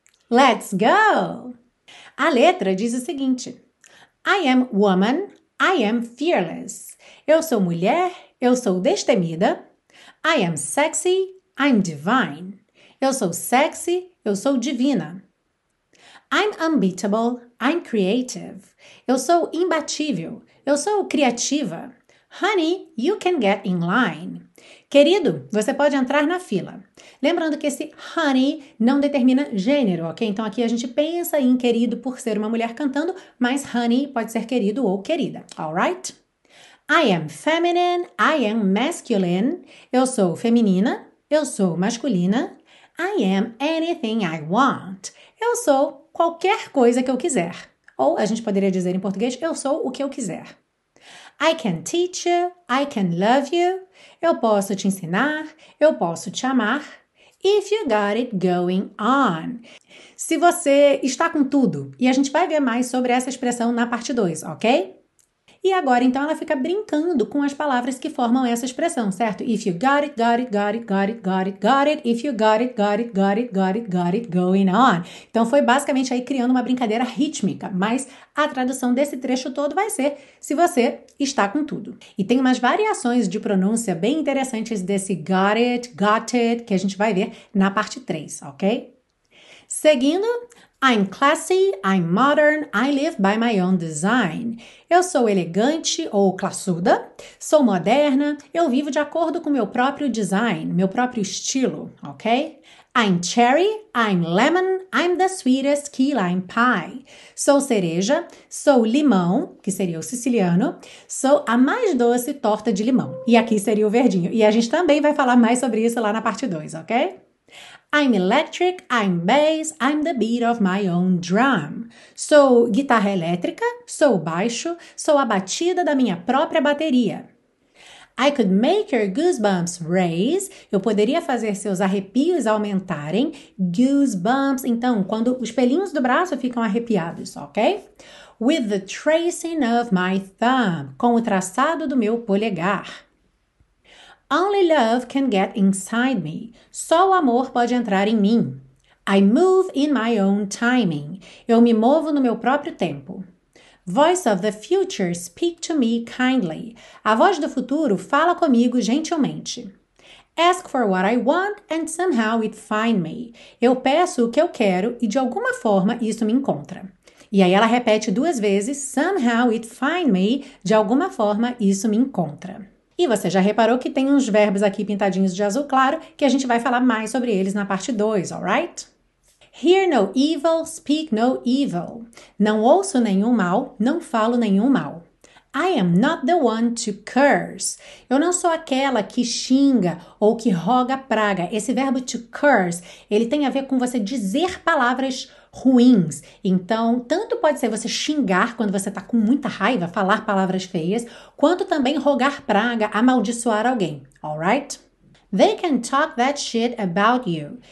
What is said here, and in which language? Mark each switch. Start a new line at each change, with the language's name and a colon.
English: Let's go!
Portuguese: A letra diz o seguinte.
English: I am woman, I am fearless.
Portuguese: Eu sou mulher, eu sou destemida.
English: I am sexy, I'm divine.
Portuguese: Eu sou sexy, eu sou divina.
English: I'm unbeatable, I'm creative.
Portuguese: Eu sou imbatível, eu sou criativa.
English: Honey, you can get in line.
Portuguese: Querido, você pode entrar na fila. Lembrando que esse honey não determina gênero, ok? Então aqui a gente pensa em querido por ser uma mulher cantando, mas honey pode ser querido ou querida, alright?
English: I am feminine, I am masculine.
Portuguese: Eu sou feminina, eu sou masculina.
English: I am anything I want.
Portuguese: Eu sou qualquer coisa que eu quiser. Ou a gente poderia dizer em português, eu sou o que eu quiser.
English: I can teach you, I can love you.
Portuguese: Eu posso te ensinar, eu posso te amar.
English: If you got it going on.
Portuguese: Se você está com tudo. E a gente vai ver mais sobre essa expressão na parte 2, ok? E agora, então, ela fica brincando com as palavras que formam essa expressão, certo?
English: If you got it, got it, got it, got it, got it, got it. If you got it, got it, got it, got it, got it, going on.
Portuguese: Então, foi basicamente aí criando uma brincadeira rítmica. Mas a tradução desse trecho todo vai ser se você está com tudo. E tem umas variações de pronúncia bem interessantes desse got it, que a gente vai ver na parte 3, ok? Seguindo...
English: I'm classy, I'm modern, I live by my own design.
Portuguese: Eu sou elegante ou classuda, sou moderna, eu vivo de acordo com meu próprio design, meu próprio estilo, ok?
English: I'm cherry, I'm lemon, I'm the sweetest key lime pie.
Portuguese: Sou cereja, sou limão, que seria o siciliano, sou a mais doce torta de limão. E aqui seria o verdinho. E a gente também vai falar mais sobre isso lá na parte 2, ok?
English: I'm electric, I'm bass, I'm the beat of my own drum.
Portuguese: Sou guitarra elétrica, sou baixo, sou a batida da minha própria bateria.
English: I could make your goosebumps raise.
Portuguese: Eu poderia fazer seus arrepios aumentarem. Goosebumps, então, quando os pelinhos do braço ficam arrepiados, ok?
English: With the tracing of my thumb.
Portuguese: Com o traçado do meu polegar.
English: Only love can get inside me.
Portuguese: Só o amor pode entrar em mim.
English: I move in my own timing.
Portuguese: Eu me movo no meu próprio tempo.
English: Voice of the future speak to me kindly.
Portuguese: A voz do futuro fala comigo gentilmente.
English: Ask for what I want and somehow it find me.
Portuguese: Eu peço o que eu quero e de alguma forma isso me encontra. E aí ela repete duas vezes,
English: somehow it find me,
Portuguese: de alguma forma isso me encontra. E você já reparou que tem uns verbos aqui pintadinhos de azul claro que a gente vai falar mais sobre eles na parte 2, alright?
English: Hear no evil, speak no evil.
Portuguese: Não ouço nenhum mal, não falo nenhum mal.
English: I am not the one to curse.
Portuguese: Eu não sou aquela que xinga ou que roga praga. Esse verbo to curse, ele tem a ver com você dizer palavras ruins. Então, tanto pode ser você xingar quando você está com muita raiva, falar palavras feias, quanto também rogar praga, amaldiçoar alguém.
English: All right? They can talk that shit about you.